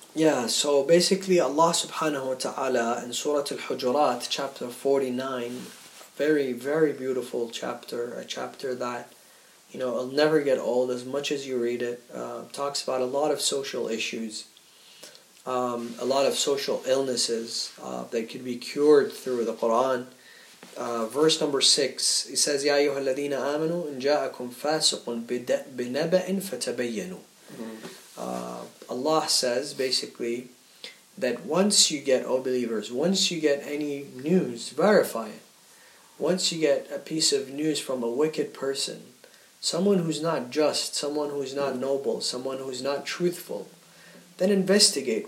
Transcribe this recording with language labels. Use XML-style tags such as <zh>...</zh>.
<en>Yeah, so basically Allah subhanahu wa ta'ala in Surah Al-Hujurat, chapter 49, very, very beautiful chapter, a chapter that, you know, it'll never get old as much as you read it, talks about a lot of social issues, a lot of social illnesses that could be cured through the Quran. Verse number 6, it says,</en> <ar>يَا أَيُّهَا الَّذِينَ آمَنُوا إِن جَاءَكُمْ فَاسِقٌ بِنَبَأٍ فَتَبَيَّنُوا.</ar> <en>Allah says basically that once you get, O believers, once you get any news, verify it. Once you get a piece of news from a wicked person, someone who's not just, someone who's not noble, someone who's not truthful, then investigate.</en>